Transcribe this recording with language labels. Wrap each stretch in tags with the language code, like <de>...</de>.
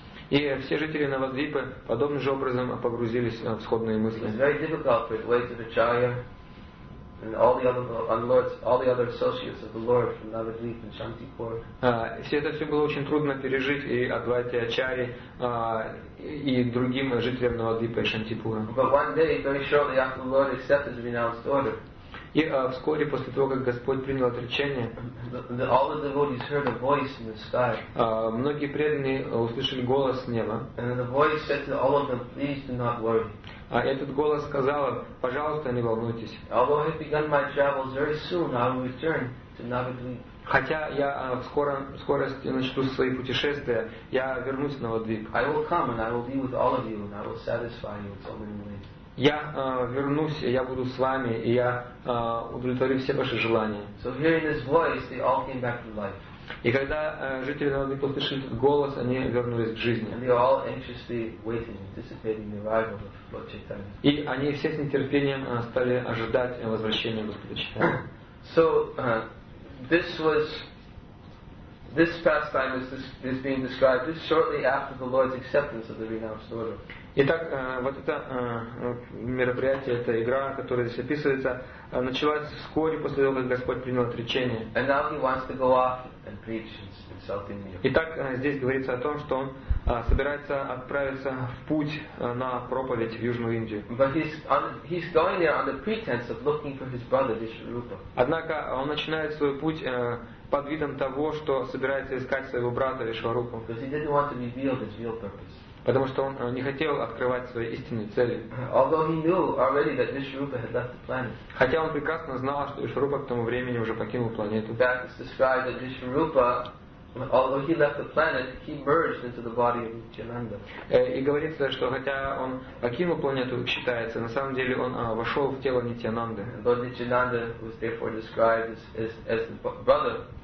<ru>И все жители Навадвипы подобным же образом погрузились в сходные мысли.</ru> <en>And all the other associates of the Lord from Navadvip and Shantipur.</en> <ru>Все это все было очень трудно пережить и Адвайте Ачари и другим жителям Навадвипа и Шантипура.</ru> <en>But one day, very shortly after the Lord accepted the renounced order.</en> <ru>И вскоре после того, как Господь принял отречение,</ru> <en>all the devotees heard a voice in the sky.</en> <ru>Многие преданные услышали голос с неба.</ru> <en>And the voice said to all of them, please do not worry.</en> <ru>А этот голос сказал им, пожалуйста, не волнуйтесь.</ru> <en>Although I have begun my travels, very soon I will return to Navadvip.</en> <ru>Хотя я скоро начну свои путешествия, я вернусь на Навадвип.</ru> <en>I will come and I will be with all of you and I will satisfy you in so many ways.</en> <ru>Я вернусь, я буду с вами, и я удовлетворю все ваши желания.</ru> <en>So hearing this voice, they all came back to life.</en> <ru>И когда жители Навадвипа услышали этот голос, они вернулись к жизни.</ru> <en>And they were all anxiously waiting, anticipating the arrival of Lord Chaitanya.</en> <ru>И они все с нетерпением стали ожидать возвращения Господа Чайтаньи.</ru> <en>So this pastime is being described just shortly after the Lord's acceptance of the renounced order.</en> <ru>Итак, вот это мероприятие, эта игра, которая здесь описывается, началась вскоре после того, как Господь принял отречение.</ru> <en>And now he wants to go off and preach in South India.</en> <ru>Итак, здесь говорится о том, что он собирается отправиться в путь на проповедь в Южную Индию.</ru> <en>But he's going there on the pretense of looking for his brother Vishwarupa.</en> <ru>Однако он начинает свой путь под видом того, что собирается искать своего брата Вишварупу.</ru> <en>Because he didn't want to reveal his real purpose.</en> <ru>Потому что он не хотел открывать свои истинные цели.</ru> <en>Although he knew already that Vishwarupa had left the planet.</en> <ru>Хотя он прекрасно знал, что Вишварупа к тому времени уже покинул планету.</ru> <en>That is described that Vishwarupa, although he left the planet, he merged into the body of Nityananda.</en> <ru>И говорится, что хотя он покинул планету, считается, на самом деле он вошел в тело Нитьянанды.</ru> <en>Lord Nityananda was therefore described as the brother.</en>